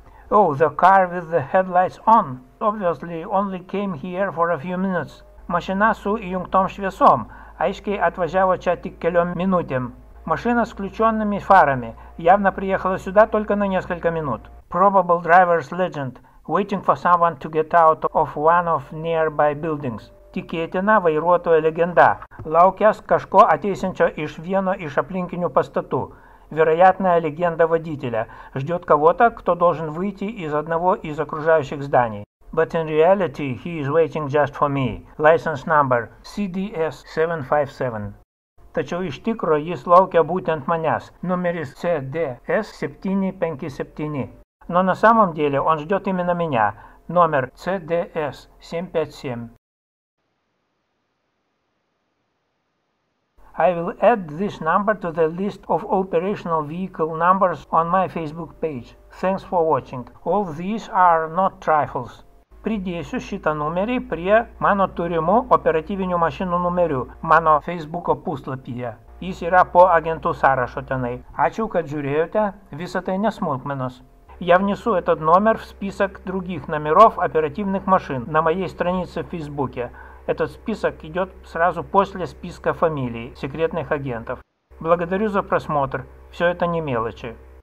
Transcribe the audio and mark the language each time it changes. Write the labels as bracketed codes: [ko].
[en] Oh, the car with the headlights on. Obviously, only came here for a few minutes. [lt] Mašina su įjungtom šviesom. Aiškiai atvažiavo čia tik keliom minutėm. Mašina su [ru] включенными фарами. Явно приехала сюда только на несколько минут. [en] Probable driver's legend. Waiting for someone to get out of one of nearby buildings. [lt] Tikėtina vairuotojo legenda. Laukęs kažko ateisinčio iš vieno iš aplinkinių pastatų. [ru] Вероятная легенда водителя ждет кого-то, кто должен выйти из одного из окружающих зданий. [en] But in reality, he is waiting just for me. License number CDS-757. [lt] Tačiau iš tikro jis laukia būtent manęs. Numeris CDS-757. [ru] Но на самом деле он ждет именно меня. Номер CDS-757. [en] I will add this number to the list of operational vehicle numbers on my Facebook page. Thanks for watching. All these are not trifles. [lt] Pridėsiu šitą numerį prie mano turimų operatyvinių mašinų numerių mano Facebook puslapyje. Jis yra po agentų sąrašo tenai. Ačiū, kad žiūrėjote. Visa tai nesmulkmenos. [ru] Я внесу этот номер в список других номеров оперативных машин на моей странице в Фейсбуке. Этот список идет сразу после списка фамилий секретных агентов. Благодарю за просмотр. Все это не мелочи.